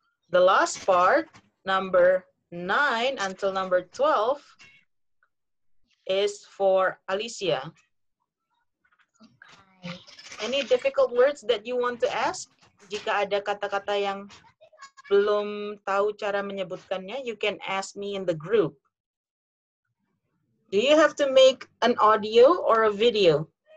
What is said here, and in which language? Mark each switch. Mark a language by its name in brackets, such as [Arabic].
[English] The last part, number 9 until number 12, is for Alicia. Okay. Any difficult words that you want to ask? [Indonesian] Jika ada kata-kata yang belum tahu cara menyebutkannya, [English] you can ask me in the group. Do you have to make an audio or a video?